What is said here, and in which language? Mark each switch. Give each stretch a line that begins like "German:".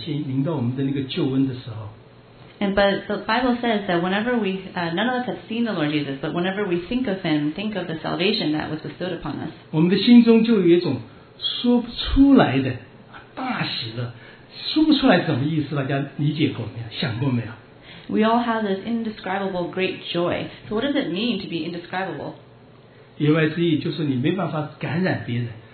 Chinese: 但是我们没想到他，想到将要临到我们主耶稣显现临到我们的那个救恩的时候。
English: And but the Bible says that whenever we none of us have seen the Lord Jesus, but whenever we think of him, think of the salvation that was bestowed upon us.
Chinese: 我们的心中就有一种说不出来的大喜乐，说不出来什么意思，大家理解过没有？想过没有？
English: We all have this indescribable great joy. So what does it mean to be indescribable?
Chinese: 言外之意就是你没办法感染别人。